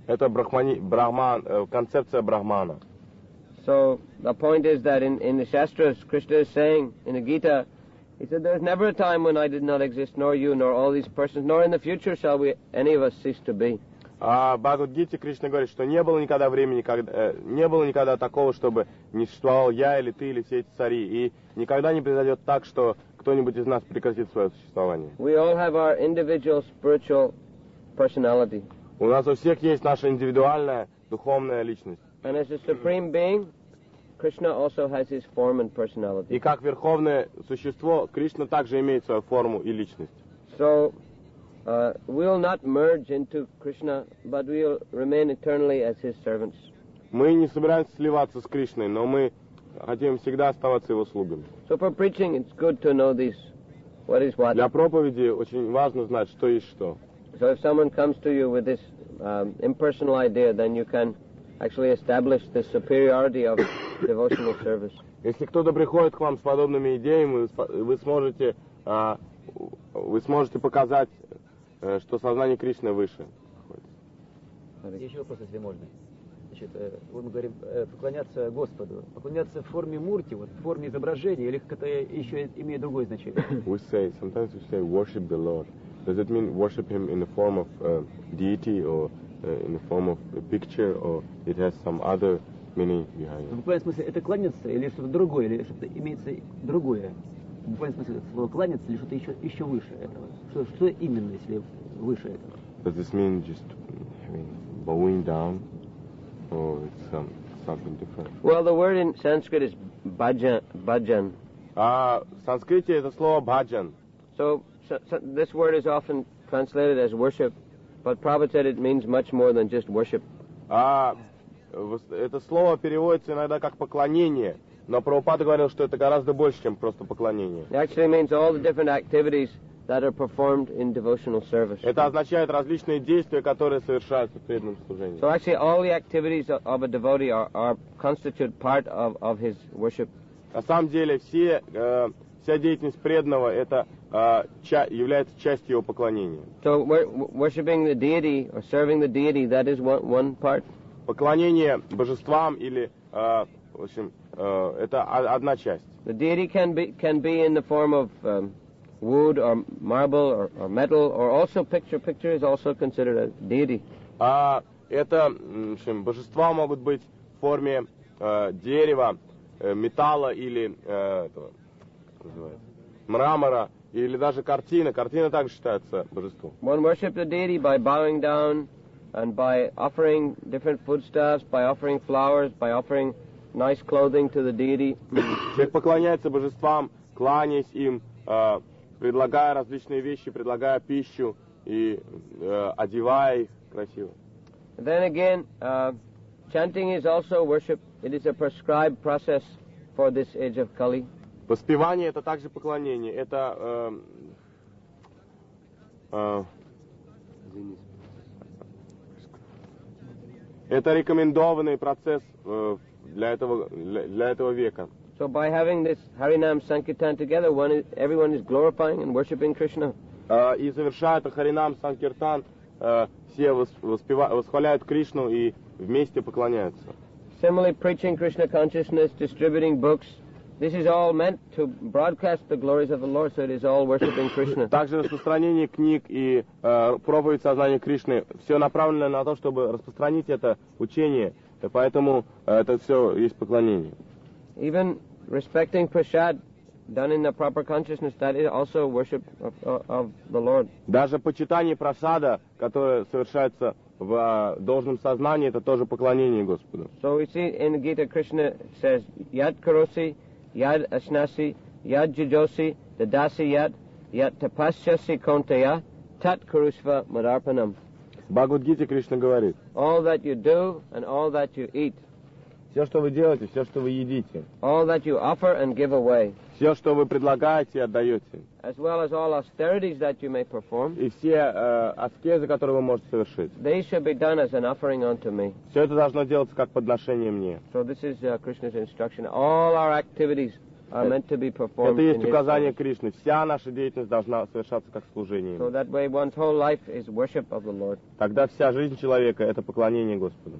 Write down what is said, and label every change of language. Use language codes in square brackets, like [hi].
[ru] Это Брахман концепция Брахмана. [en] So the point is that in the Shastras, Krishna is saying in the Gita. He said, "There's never a time when I did not exist, nor you, nor all these persons, nor in the future shall we any of us cease to be." [ru] Бхагавад Гите Кришна говорит, что не было никогда времени, не было никогда такого, чтобы не существовал я или ты или все эти цари, и никогда не произойдет так, что кто-нибудь из нас прекратит свое существование. [en] We all have our individual spiritual personality. [ru] У нас у всех есть наша индивидуальная духовная личность. [en] And as a supreme being. Krishna also has his form and personality. [ru] И как верховное существо, Кришна также имеет свою форму и личность. [en] So, we'll not merge into Krishna, but we'll remain eternally as his servants. [ru] Мы не собираемся сливаться с Кришной, но мы хотим всегда оставаться его слугами. [en] So for preaching, it's good to know this. What is what? [ru] Для проповеди очень важно знать, что есть что. [en] So if someone comes to you with this impersonal idea, then you can actually establish the superiority of devotional service. [ru] Если кто-то приходит к вам с подобными идеями, вы сможете показать, что сознание Кришны выше. Еще вопрос, если можно. Значит, мы говорим поклоняться Господу, поклоняться в форме мурти, вот в форме изображения, или это еще имеет другое значение? [en] We say sometimes we say worship the Lord. Does it mean worship him in the form of deity or in the form of a picture, or it has some other meaning behind it. [ru] В буквальном смысле это кланяться или что-то другое, или что-то имеется другое. В буквальном смысле это слово кланяться или что-то еще выше этого. Что именно, если выше этого? [en] Does this mean just having bowing down, or it's something different? Well, the word in Sanskrit is bhajan. [ru] В санскрите это слово bhajan. [en] So this word is often translated as worship. But Prabhupada said it means much more than just worship. [ru] Это слово переводится иногда как поклонение, но Прабхупада говорил, что это гораздо больше, чем просто поклонение. [en] It actually means all the different activities that are performed in devotional service. [ru] Это означает различные действия, которые совершаются в преданном служении. [en] So actually, all the activities of a devotee are constitute part of his worship. [ru] На самом деле, вся деятельность преданного это является частью его поклонения. [en] So worshiping the deity or serving the deity, that is one part. [ru] Поклонение божествам или в общем это одна часть. [en] The deity can be in the form of wood or marble or metal or also picture is also considered a deity. [ru] А это, скажем, божества могут быть в форме дерева, металла или этого, как называется, мрамора или даже картина. Картина также считается божеством. [en] One worships the deity by bowing down and by offering different foodstuffs, by offering flowers, by offering nice clothing to the deity. [ru] Человек поклоняется божествам, кланяясь им, предлагая различные вещи, предлагая пищу и одевая их красиво. [en] Then again, chanting is also worship. It is a prescribed process for this age of Kali. [ru] Воспевание — это также поклонение. Это это рекомендованный процесс для этого века. [en] So by having this Harinam Sankirtan together, everyone is glorifying and worshiping Krishna. [ru] И завершая это Харинам Санкиртан, все восхваляют Кришну и вместе поклоняются. [en] Similarly, preaching Krishna consciousness, distributing books, this is all meant to broadcast the glories of the Lord, so it is all worshiping Krishna. [ru] Также распространение книг и проповедь сознания Кришны, все направлено на то, чтобы распространить это учение, поэтому это все есть поклонение. [en] Even respecting prasad done in the proper consciousness, that is also worship of the Lord. [ru] Даже почитание прасада, которое совершается в должном сознании, это тоже поклонение Господу. [en] So we see in Gita Krishna says [sa] yad karosi, yad asnasi, yad jujosi, dadasi yad, yad tapasyasi kontaya, tat kurusva madarpanam. [ru] Бхагавад-гита Кришна говорит. [en] All that you do and all that you eat. [ru] Все, что вы делаете, все, что вы едите. [en] All that you offer and give away. [ru] Все, что вы предлагаете и отдаете. [en] As well as all austerities that you may perform. [ru] И все аскезы, которые вы можете совершить. [en] They should be done as an offering unto me. [ru] Все это должно делаться как подношение мне. [en] So this is Krishna's instruction. All our activities are meant to be performed. [ru] Это есть указание Кришны. Вся наша деятельность должна совершаться как служение. [en] So that way one's whole life is worship of the Lord. [ru] Тогда вся жизнь человека — это поклонение Господу.